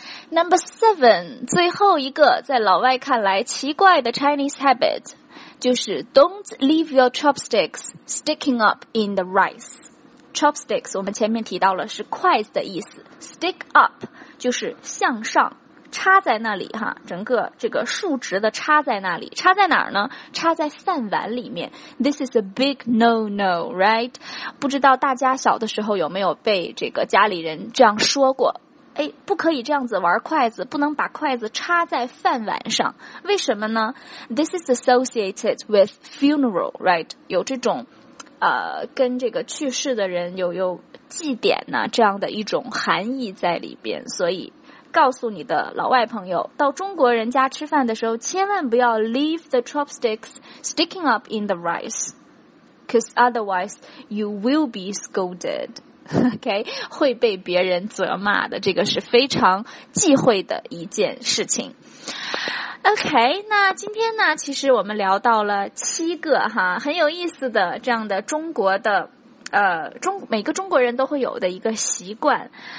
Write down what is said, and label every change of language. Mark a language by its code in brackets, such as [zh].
[zh] Number seven， 最后一个在老外看来奇怪的 Chinese habit，就是 don't leave your chopsticks sticking up in the rice。 Chopsticks， 我们前面提到了是筷子的意思 ， stick up 就是向上。插在那里哈，整个这个竖直的插在那里，插在哪儿呢？ [en] 插在饭碗里面。 This is a big no-no, right? [zh] 不知道大家小的时候有没有被这个家里人这样说过？哎，不可以这样子玩筷子，不能把筷子插在饭碗上。 [en] 为什么呢？This is associated with funeral, right? [zh] 有这种跟这个去世的人有祭典呢、啊、这样的一种含义在里边，所以。 [en] 告诉你的老外朋友，到中国人家吃饭的时候，千万不要 leave the chopsticks sticking up in the rice, because otherwise you will be scolded, OK? [zh] 会被别人责骂的，这个是非常忌讳的一件事情。 OK, 那今天呢，其实我们聊到了七个哈，很有意思的这样的中国的每个中国人都会有的一个习惯。